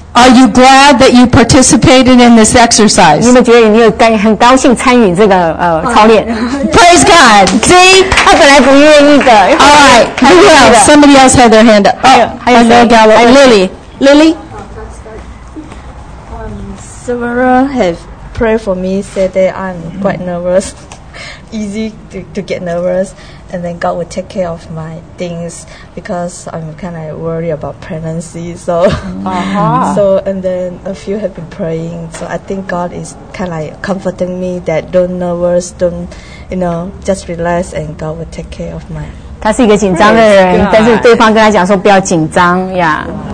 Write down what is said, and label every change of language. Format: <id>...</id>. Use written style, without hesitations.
<en>Are you glad that you participated in this exercise?</en> <zh>你们觉得你有很高兴参与这个操练。</zh> <en>Praise God. See?</en> <zh>他本来不愿意的。</zh> <en>All right. Who else? Somebody else had their hand up.</en> <zh>Oh, 还有谁?</zh> <en>Lily. Lily? Several have prayed for me, said that I'm quite nervous. Easy to get nervous, and then God will take care of my things because I'm kind of worried about pregnancy. So, So and then a few have been praying. So I think God is kind of comforting me that don't nervous, don't just relax, and God will take care of my.</en> <zh>他是一个紧张的人，但是对方跟他讲说不要紧张， yeah.</zh>